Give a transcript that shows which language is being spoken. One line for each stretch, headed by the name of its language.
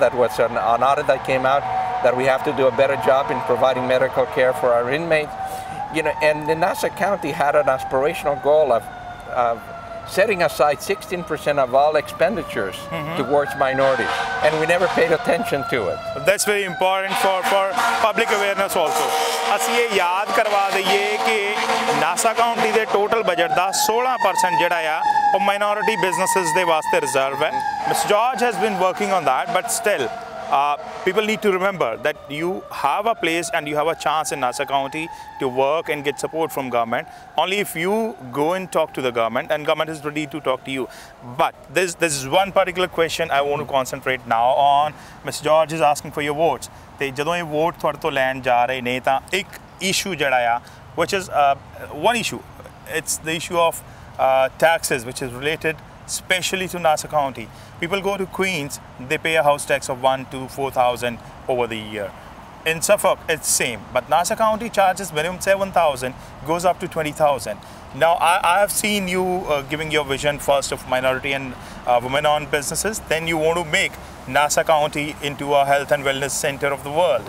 English: That was an audit that came out, that we have to do a better job in providing medical care for our inmates. You know, and the Nassau County had an aspirational goal of setting aside 16% of all expenditures mm-hmm. towards minorities, and we never paid attention to it. That's very important for public awareness also.
Punjabi: ਅਸੀਂ ਇਹ ਯਾਦ ਕਰਵਾ ਦਈਏ ਕਿ NASA County ਦੇ total budget ਦਾ 16% ਜਿਹੜਾ ਆ ਉਹ ਮਾਈਨੋਰਿਟੀ ਬਿਜ਼ਨਸਿਸ ਦੇ ਵਾਸਤੇ ਰਿਜ਼ਰਵ ਹੈ.
English: Miss George has been working on that, but still people need to remember that you have a place and you have a chance in Nassau County to work and get support from government. Only if you go and talk to the government and government is ready to talk to you. But this is one particular question I want to concentrate now on. Miss George is asking for your votes.
Punjabi: ਅਤੇ ਜਦੋਂ ਇਹ vote ਤੁਹਾਡੇ ਤੋਂ ਲੈਣ ਜਾ ਰਹੇ ਨੇ ਤਾਂ ਇੱਕ ਇਸ਼ੂ ਜਿਹੜਾ ਆ
English: Which is one issue, it's the issue of taxes, which is related especially to Nassau County. People go to Queens, they pay a house tax of 1,000 to 4,000 over the year. In Suffolk, it's same, but Nassau County charges minimum 7,000, goes up to 20,000. Now, I have seen you giving your vision first of minority and women-owned businesses, then you want to make Nassau County into a health and wellness center of the world.